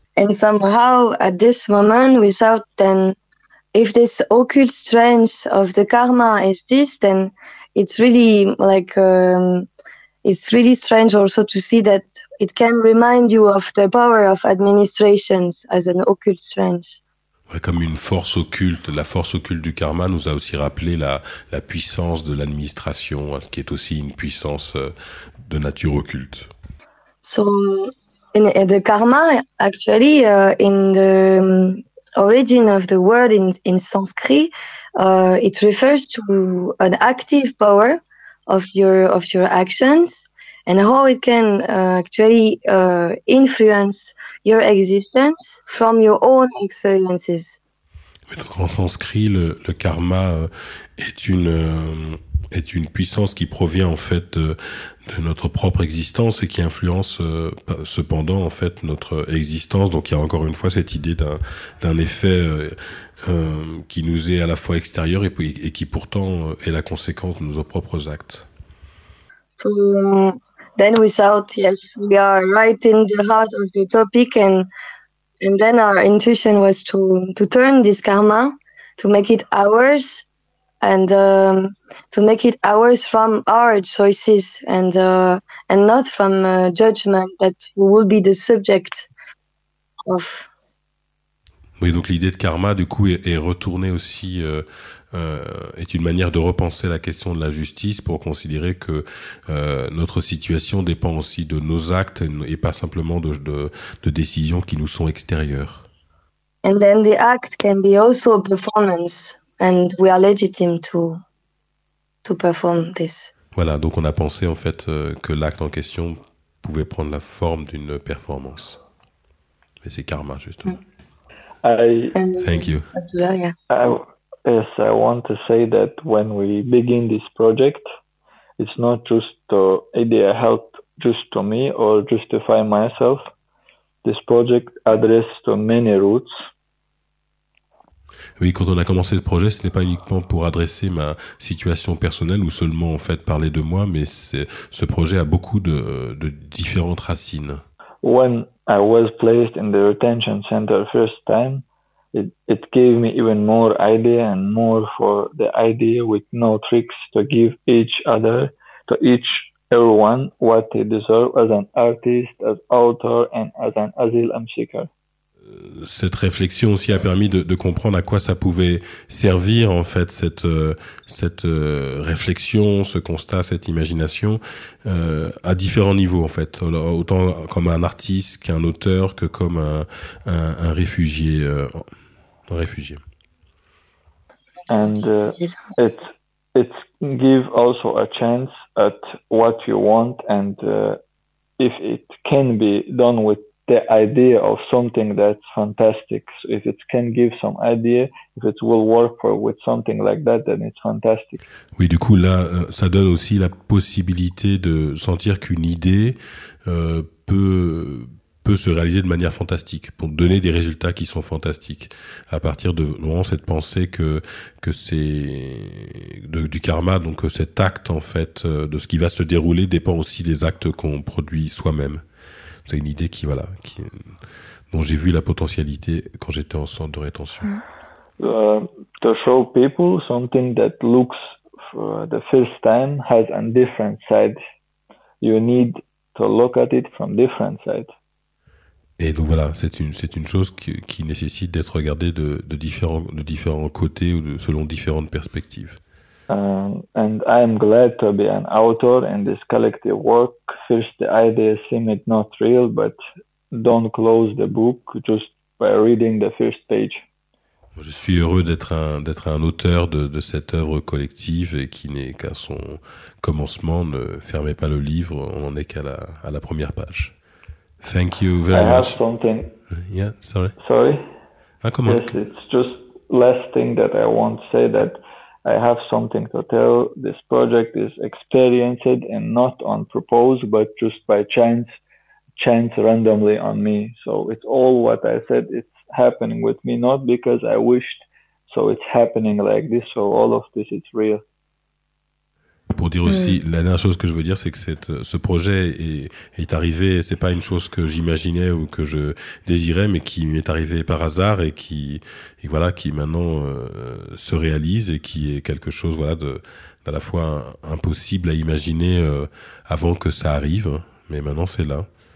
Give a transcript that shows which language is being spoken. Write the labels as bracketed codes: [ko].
[en] And somehow, at this moment, without then, if this occult strength of the karma exists, then it's really like. It's really strange also to see that it can remind you of the power of administrations as an occult strength. [fr] Ouais, comme une force occulte, la force occulte du karma nous a aussi rappelé la puissance de l'administration, qui est aussi une puissance de nature occulte. [en] So, in the karma, actually, in the origin of the word in Sanskrit, it refers to an active power of your actions and how it can actually influence your existence from your own experiences. [fr] Mais donc en sanskrit, le karma est une puissance qui provient en fait de notre propre existence et qui influence cependant en fait notre existence. Donc il y a encore une fois cette idée d'un effet qui nous est à la fois extérieur et qui pourtant est la conséquence de nos propres actes. [en] So then without, yes, we are right in the heart of the topic and then our intuition was to turn this karma, to make it ours and to make it ours from our choices and not from a judgment that we will be the subject of. [fr] Oui, donc l'idée de karma, du coup, est retournée aussi, est une manière de repenser la question de la justice pour considérer que notre situation dépend aussi de nos actes et pas simplement de décisions qui nous sont extérieures. [en] And then the act can be also a performance, and we are legitime to perform this. [fr] Voilà, donc on a pensé en fait que l'acte en question pouvait prendre la forme d'une performance. Mais c'est karma, justement. Mm. [en] Thank you. Yes, I want to say that when we begin this project, it's not just an idea help just to me or justify myself. This project addresses to many roots. [fr] Oui, quand on a commencé le projet, ce n'est pas uniquement pour adresser ma situation personnelle ou seulement en fait parler de moi, mais ce projet a beaucoup de différentes racines. [en] When I was placed in the retention center first time, it gave me even more idea and more for the idea with no tricks to give everyone what they deserve as an artist, as author and as an asylum seeker. [fr] Cette réflexion aussi a permis de comprendre à quoi ça pouvait servir en fait cette réflexion, ce constat, cette imagination à différents niveaux en fait, autant comme un artiste qu'un auteur que comme un réfugié. Réfugié. [en] And it gives also a chance at what you want and if it can be done with the idea of something that's fantastic. So if it can give some idea, if it will work for with something like that, then it's fantastic. [fr] Oui, du coup, là, ça donne aussi la possibilité de sentir qu'une idée peut peut se réaliser de manière fantastique, pour donner des résultats qui sont fantastiques, à partir de vraiment cette pensée que c'est du karma, donc cet acte en fait de ce qui va se dérouler dépend aussi des actes qu'on produit soi-même. C'est une idée qui, voilà, qui, dont j'ai vu la potentialité quand j'étais en centre de rétention. [en] To show people something that looks for the first time has a different side, you need to look at it from different side. [fr] Et donc voilà, c'est une chose qui nécessite d'être regardée de différents côtés ou selon différentes perspectives. [en] And I'm glad to be an author in this collective work. First, the idea seemed not real, but don't close the book just by reading the first page. [fr] Je suis heureux d'être un auteur de cette œuvre collective et qui n'est qu'à son commencement. Ne fermez pas le livre, on n'en est qu'à la première page. [en] Thank you very much. I have something. Yeah, sorry. Sorry. Ah, come on. Yes, it's just last thing that I want to say that I have something to tell. This project is experienced and not on purpose, but just by chance randomly on me. So it's all what I said. It's happening with me, not because I wished. So it's happening like this. So all of this is real. [fr] Pour dire aussi, la dernière chose que je veux dire, c'est que ce projet est arrivé, c'est pas une chose que j'imaginais ou que je désirais, mais qui m'est arrivé par hasard et qui maintenant se réalise et qui est quelque chose, voilà, d'à la fois impossible à imaginer avant que ça arrive, mais maintenant c'est là.